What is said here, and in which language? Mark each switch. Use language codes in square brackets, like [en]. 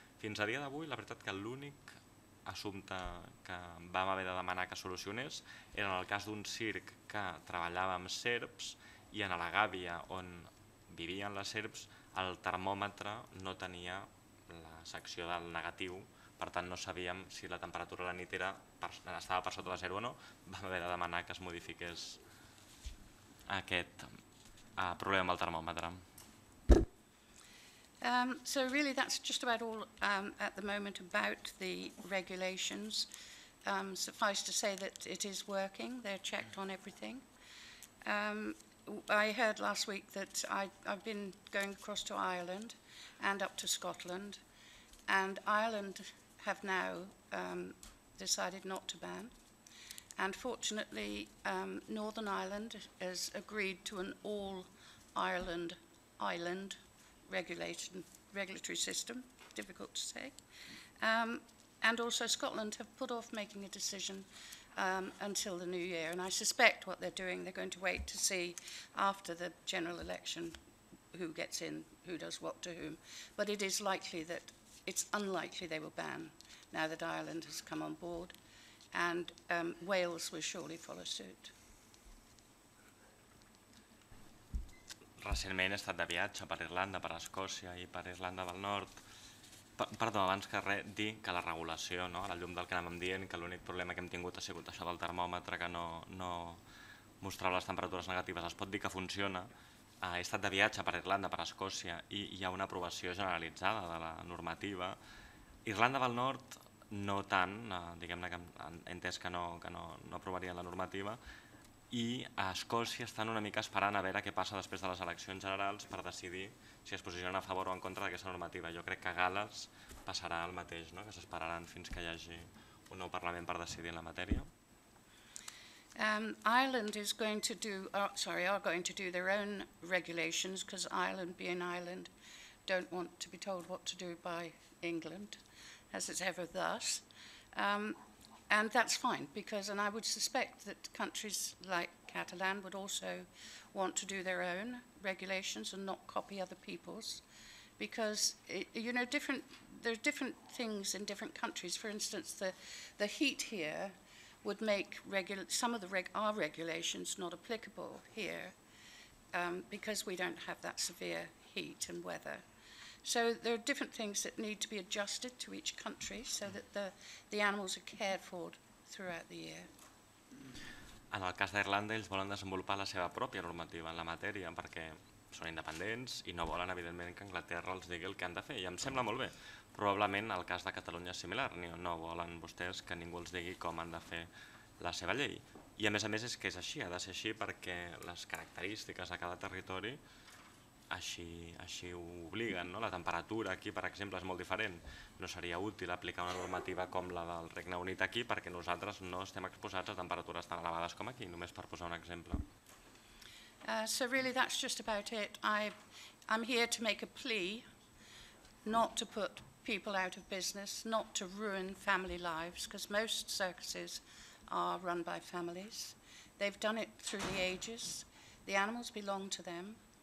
[ca] Fins a dia d'avui, la veritat que l'únic assumpte que vam haver de demanar que solucionés era en el cas d'un circ que treballava amb serps i en la gàbia on vivien les serps, el termòmetre no tenia la secció del negatiu, per tant no sabíem si la temperatura a la nit estava per sota de zero o no, vam haver de demanar que es modifiqués aquest problema amb el termòmetre. [en] So really that's just about all at the moment about the regulations. Suffice to say that it is working, they're checked on everything. I heard last week that I've been going across to Ireland and up to Scotland, and Ireland have now decided not to ban. And fortunately, Northern Ireland has agreed to an all-Ireland island regulatory system, difficult to say. And also Scotland have put off making a decision until the new year, and I suspect what they're doing, they're going to wait to see after the general election who gets in, who does what to whom, but it is likely that it's unlikely they will ban now that Ireland has come on board, and Wales will surely follow suit. [ca] Recentment he estat de viatge per Irlanda, per Escòcia i per Irlanda del Nord. Perdó, abans que res, dir que la regulació, no? A la llum del que anàvem dient, que l'únic problema que hem tingut ha sigut això del termòmetre, que no mostrava les temperatures negatives, es pot dir que funciona. He estat de viatge per Irlanda, per Escòcia, i hi ha una aprovació generalitzada de la normativa. Irlanda del Nord, no tant, diguem-ne que he entès que no aprovarien la normativa, i a Escòcia estan una mica esperant a veure què passa després de les eleccions generals per decidir si es posicionen a favor o en contra d'aquesta normativa. Jo crec que a Gal·les passarà el mateix, no? Que s'esperaran fins que hi hagi un nou Parlament per decidir en la matèria. [en] Ireland is going to do, are going to do their own regulations because Ireland, being Ireland, don't want to be told what to do by England, as it's ever thus. And that's fine, because, and I would suspect that countries like Catalan would also want to do their own regulations and not copy other people's, because, it, you know, different, there are different things in different countries. For instance, the heat here would make some of the our regulations not applicable here, because we don't have that severe heat and weather. So there are different things that need to be adjusted to each country so that the animals are cared for throughout the year. [ca] En el cas d'Irlanda, ells volen desenvolupar la seva pròpia normativa en la matèria perquè són independents i no volen, evidentment, que Anglaterra els digui el que han de fer. I em sembla molt bé. Probablement el cas de Catalunya és similar. No volen vostès que ningú els digui com han de fer la seva llei. I a més és que és així, ha de ser així perquè les característiques de cada territori així ho obliguen, no? La temperatura aquí, per exemple, és molt diferent. No seria útil aplicar una normativa com la del Regne Unit aquí perquè nosaltres no estem exposats a temperatures tan elevades com aquí, només per posar un exemple. [en] So really that's just about it. I'm here to make a plea not to put people out of business, not to ruin family lives, because most circuses are run by families. They've done it through the ages. The animals belong to them.